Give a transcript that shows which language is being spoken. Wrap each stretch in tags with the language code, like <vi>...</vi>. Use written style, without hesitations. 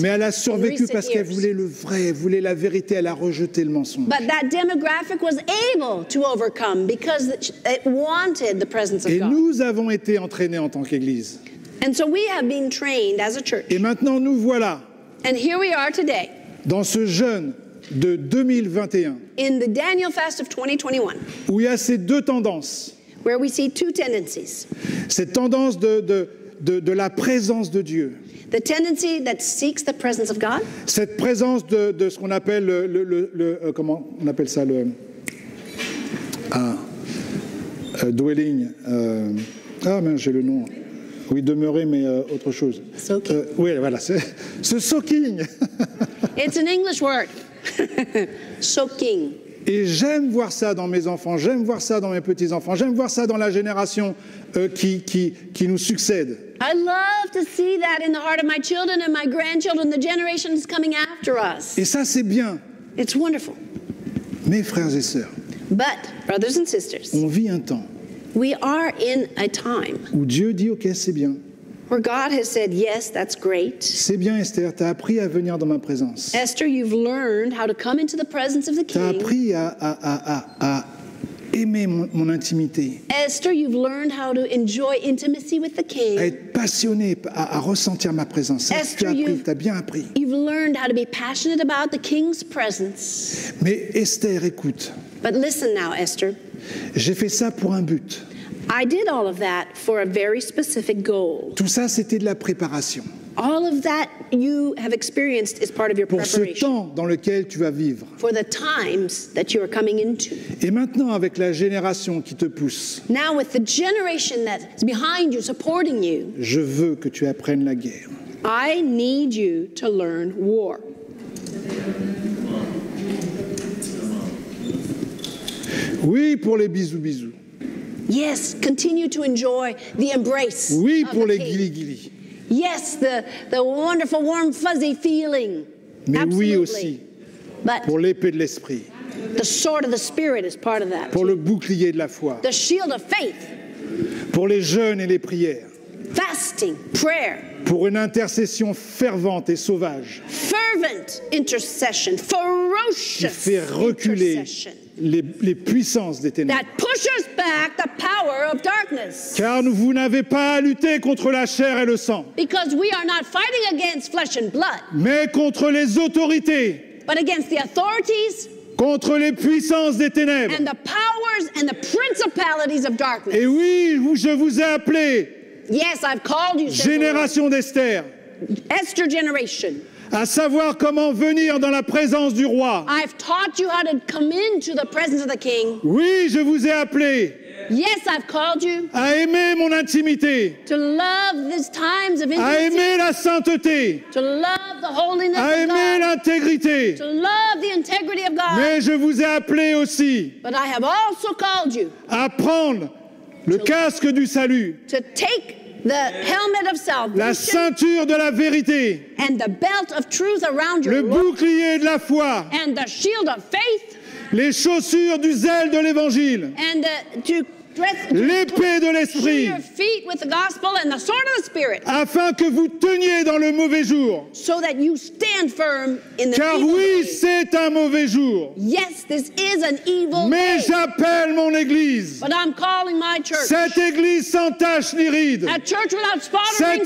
<fr>Mais elle a survécu parce qu'elle voulait le vrai, elle voulait la vérité, elle a rejeté le mensonge.</fr> <en>But that demographic was able to overcome because it wanted the presence of</en> <fr>et</fr> <en>God.</en> <fr>Et nous avons été entraînés en tant qu'église.</fr> <en>And so we have been trained as a church.</en> <fr>Et maintenant nous voilà.</fr> <en>And here we are today.</en> <fr>Dans ce jeûne de 2021.</fr> <en>In the Daniel fast of 2021.</en> <fr>Où il y a ces deux tendances.</fr> <en>Where we see two tendencies.</en> <fr>Cette tendance de la présence de Dieu.</fr> <en>The tendency that seeks the presence of God.</en> <fr>Cette présence de ce qu'on appelle le comment on appelle ça le dwelling mais j'ai le nom. Oui, demeurer, mais autre chose.</fr> <en>Soaking.</en> <fr>Oui, voilà, c'est ce soaking.</fr> <en>It's an English word. Soaking.</en> <fr>Et j'aime voir ça dans mes enfants, j'aime voir ça dans mes petits-enfants, j'aime voir ça dans la génération qui nous succède.</fr> <en>I love to see that in the heart of my children and my grandchildren, the generations coming after us.</en> <fr>Et ça, c'est bien.</fr> <en>It's wonderful.</en> <fr>Mes frères et sœurs.</fr> <en>But, brothers and sisters.</en> <fr>On vit un temps.</fr> <en>We are in a time</en> <fr>où Dieu dit, OK, c'est bien.</fr> <en>Where God has said, yes, that's great.</en> <fr>C'est bien, Esther, t'as appris à venir dans ma présence.</fr> <en>Esther, you've learned how to come into the presence of the king.</en> <fr>T'as appris à aimer mon intimité.</fr> <en>Esther, you've learned how to enjoy intimacy with the king.</en> <fr>À être passionnée, à ressentir ma présence.</fr> <en>Esther,</en> <fr>t'as bien appris.</fr> <en>You've learned how to be passionate about the king's presence.</en> <fr>Mais Esther, écoute.</fr> <en>But listen now, Esther.</en> <fr>J'ai fait ça pour un but.</fr> <en>I did all of that for a very specific goal.</en> <fr>Tout ça, c'était de la préparation.</fr> <en>All of that you have experienced is part of your</en> <fr>pour</fr> <en>preparation.</en> <fr>Pour ce temps dans lequel tu vas vivre.</fr> <en>For the times that you are coming into.</en> <fr>Et maintenant, avec la génération qui te pousse.</fr> <en>Now with the generation that's behind you, supporting you.</en> <fr>Je veux que tu apprennes la guerre.</fr> <en>I need you to learn war.</en> <fr>Oui, pour les bisous.</fr> <en>Yes, continue to enjoy the embrace.</en> <fr>Oui, pour</fr> <en>of the</en> <fr>les guili-guili.</fr> <en>Yes, the wonderful warm fuzzy feeling.</en> <fr>Mais</fr> <en>absolutely.</en> <fr>Oui aussi.</fr> <en>But</en> <fr>pour l'épée de l'esprit.</fr> <en>The sword of the spirit is part of that.</en> <fr>Pour le bouclier de la foi.</fr> <en>The shield of faith.</en> <fr>Pour les jeûnes et les prières.</fr> <en>Fasting, prayer.</en> <fr>Pour une intercession fervente et sauvage.</fr> <en>Fervent fervent intercession, ferocious</en> <fr>qui fait reculer les puissances des ténèbres.</fr> <en>That pushes back the power of darkness.</en> <fr>Car vous n'avez pas à lutter contre la chair et le sang.</fr> <en>Because we are not fighting against flesh and blood.</en> <fr>Mais contre les autorités.</fr> <en>But against the authorities.</en> <fr>Contre les puissances des ténèbres.</fr> <en>And the powers and the principalities of darkness.</en> <fr>Et oui, je vous ai appelé.</fr> <en>Yes, I've called you.</en> <fr>Génération d'Esther.</fr> <en>Esther generation.</en> <fr>À savoir comment venir dans la présence du roi.</fr> <en>I've taught you how to come into the presence of the king.</en> <fr>Oui, je vous ai appelé.</fr> <en>Yes, I've called you.</en> <fr>À aimer mon intimité.</fr> <en>To love these times of intimacy.</en> <fr>À aimer la sainteté.</fr> <en>To love the holiness of God.</en> <fr>À aimer l'intégrité.</fr> <en>To love the integrity of God.</en> <fr>Mais je vous ai appelé aussi.</fr> <en>But I have also called you.</en> <fr>À prendre le casque du salut.</fr> <en>To take the helmet of salvation.</en> <fr>La ceinture de la vérité.</fr> <en>And the belt of truth around your</en> <fr>le bouclier De la foi.</fr> <en>And the shield of faith.</en> <fr>Les chaussures du zèle de l'évangile.</fr> <en>And to dress,</en> <fr>l'épée de l'esprit.</fr> <en>Your feet with the gospel and the sword of the spirit.</en> <fr>Afin que vous teniez dans le mauvais jour.</fr> <en>So that you stand firm in the</en> <fr>car</fr> <en>evil</en> <fr>oui,</fr> <en>day.</en> <fr>C'est un mauvais jour.</fr> <en>Yes, this is an evil</en> <fr>mais</fr> <en>day.</en> <fr>J'appelle mon église.</fr> <en>But I'm calling my church.</en> <fr>Cette église sans tache ni ride.</fr> <en>A church without spot or wrinkle.</en>